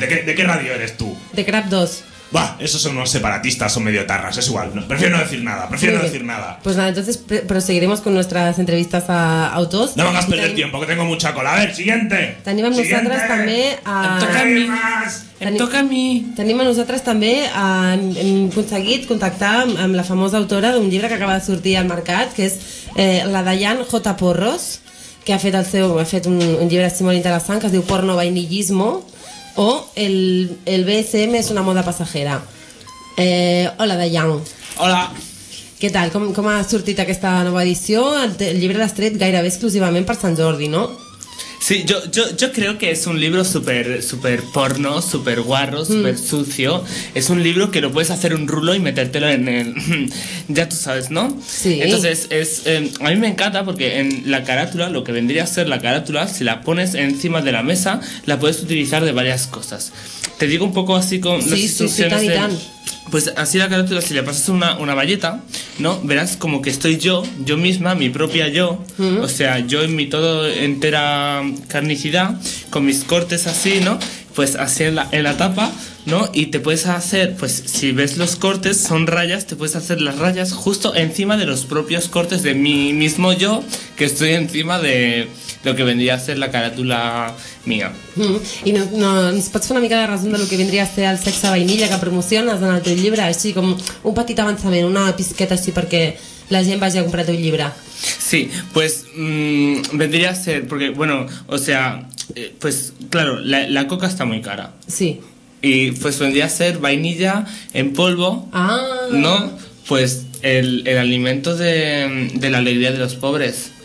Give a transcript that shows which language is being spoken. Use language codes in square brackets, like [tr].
[es] ¿De qué radio eres tú? De Crap 2. Bah, esos son unos separatistas, son medio tarras, es igual. Prefiero no decir nada. Pues nada, entonces proseguiremos con nuestras entrevistas a autos. No me hagas perder tiempo, que tengo mucha cola. A ver, siguiente. Te animan nosotras también a... [ca] Em toca a mi. [es] Te animan nosotras también a [ca] aconseguir contactar amb la famosa autora d'un llibre que acaba de sortir al mercat, que és la Dayan J. Porros, que ha fet un llibre així molt interessant, que es diu Porno Vainillismo. [es] O el BSM es una moda pasajera. Hola, Dayan. Hola. ¿Qué tal? [ca] ¿Cómo ha surtit aquesta nova edició? El llibre l'has tret gairebé exclusivament per Sant Jordi, no? [es] Sí, yo creo que es un libro súper súper porno, súper guarro, súper sucio. Es un libro que lo puedes hacer un rulo y metértelo en el... Ya tú sabes, ¿no? Sí. Entonces, a mí me encanta porque en la carátula, lo que vendría a ser la carátula, si la pones encima de la mesa, la puedes utilizar de varias cosas. Te digo un poco así con las instrucciones. Sí, tan. Pues así la carátula, si le pasas una bayeta, ¿no? Verás como que estoy yo misma, mi propia yo, o sea, yo en mi todo entera carnicidad, con mis cortes así, ¿no? Pues así en la tapa, ¿no? Y te puedes hacer, pues si ves los cortes, son rayas, te puedes hacer las rayas justo encima de los propios cortes de mi mismo yo, que estoy encima de lo que vendría a ser la carátula mía. [ca] I no, pots fer una mica de resum de lo que vendria a ser el sexe vainilla que promociones en el teu llibre, així com un petit avançament, una pisqueta així perquè la gent vagi a comprar el teu llibre. [es] Sí, pues vendría a ser, porque bueno, o sea, pues claro, la coca está muy cara. Sí. Y pues vendría a ser vainilla en polvo, ah, ¿no? Pues el alimento de la alegría de los pobres.